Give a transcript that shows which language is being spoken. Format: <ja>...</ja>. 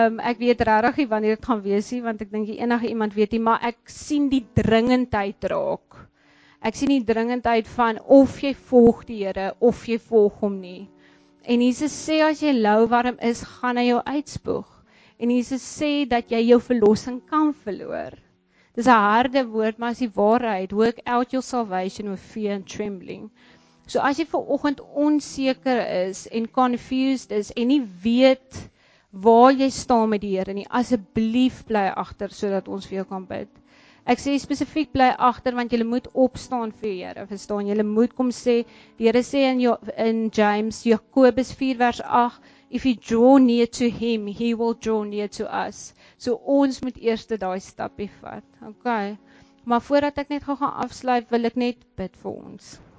<af>Ek weet regtig nie wanneer dit gaan wees nie, want ek dink enige iemand weet nie, maar ek sien die dringendheid raak. Ek sien die dringendheid van of jy volg die Here of jy volg hom nie. En Jesus sê as jy lou warm is, gaan hy jou uitspoeg. En Jesus sê dat jy jou verlossing kan verloor. Dit is 'n harde woord, maar is die waarheid.</af> <en>Work out your salvation with fear and trembling.</en> <af>So as jy vanoggend onseker is en confused is en nie weet waar jy staan met die Here nie, asseblief bly agter sodat ons vir jou kan bid. Ek sê spesifiek bly agter want jy moet opstaan vir die Here. Verstaan? Jy moet kom sê, die Here sê in James, Jakobus 4 vers 8,</af> <en>if you draw near to him, he will draw near to us.</en> <af>So ons moet eers daai stappie vat. OK. Maar voordat ek net gaan afsluit, wil ek net bid vir ons.</af>